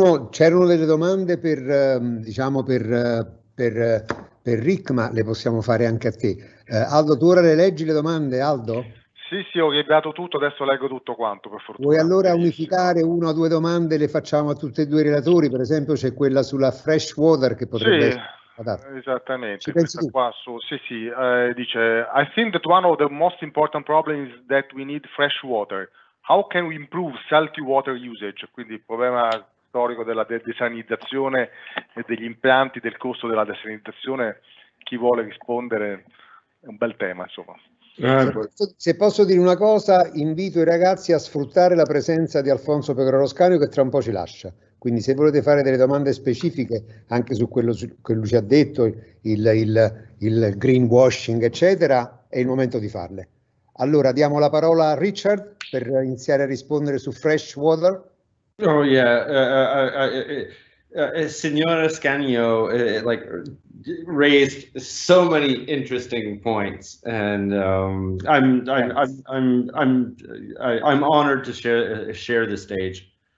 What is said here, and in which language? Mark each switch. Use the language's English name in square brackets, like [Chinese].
[Italian] C'erano delle domande per Rick, ma le possiamo fare anche a te. Aldo, tu ora le leggi le domande, Aldo? Sì, ho rievitato tutto, adesso leggo tutto quanto, per fortuna. Vuoi allora unificare una o due domande, le facciamo a tutti e due i relatori? Per esempio c'è quella sulla fresh water che potrebbe... Sì, Esattamente, questa qua su, sì, dice: [English] I think that one of the most important problems is that we need fresh water. How can we improve salty water usage? [Italian] Quindi il problema storico della desalinizzazione e degli impianti, del costo della desalinizzazione, chi vuole rispondere? È un bel tema, insomma. Se posso dire una cosa, invito i ragazzi a sfruttare la presenza di Alfonso Pecoraro Scanio, che tra un po' ci lascia. Quindi se volete fare delle domande specifiche anche su quello che lui ci ha detto, il greenwashing, eccetera, è il momento di farle. Allora, diamo la parola a Richard per iniziare a rispondere su fresh water. [English] Oh yeah, Signora Scanio, like, raised so many interesting points, and I'm honored to share the stage.